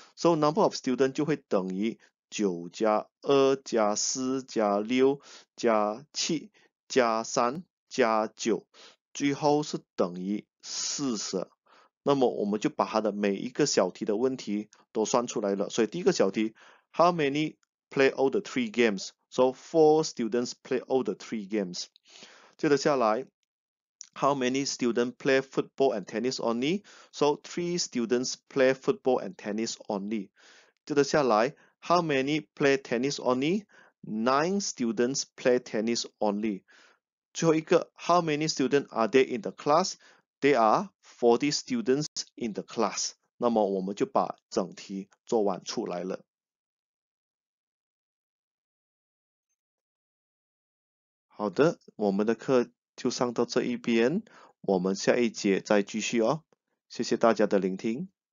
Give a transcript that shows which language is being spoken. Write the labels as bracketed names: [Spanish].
[Chinese] 所以 [English] number of student [Chinese] 就会等于9加2加4加6加7加3加9，最后是等于40。那么我们就把它的每一个小题的问题都算出来了。所以第一个小题 [English] ，how many play all the three games. So four students play all the three games. [Chinese] 接着下来 [English] ，How many students play football and tennis only? So three students play football and tennis only. [Chinese] 接着下来 [English] ，How many play tennis only? Nine students play tennis only. [Chinese] 最后一个 [English] ，How many students are there in the class? There are 40 students in the class. [Chinese] 那么我们就把整题做完出来了。好的，我们的课就上到这一边，我们下一节再继续哦。谢谢大家的聆听。